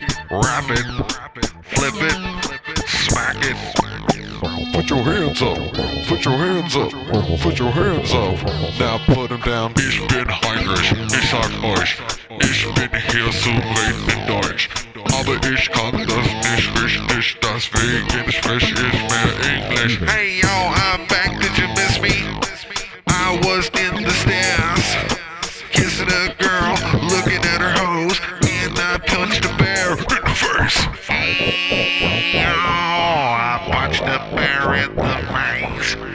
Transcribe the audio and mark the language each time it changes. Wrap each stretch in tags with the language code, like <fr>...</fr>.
<en>Wrap it, flip it, smack it. Put your hands up, put your hands up, put your hands up. Now put them down.</en> <de>Ich bin Heinrich, ich sag euch. Ich bin hier zu late in Deutsch. Aber ich kann das nicht richtig, deswegen spreche ich mehr Englisch.</de> <en>Hey yo, I'm back, did you miss me? I was in the stairs, kissing a girl, looking at her hose. And I punched a bear. Hey, oh, I punched a bear in the face.</en>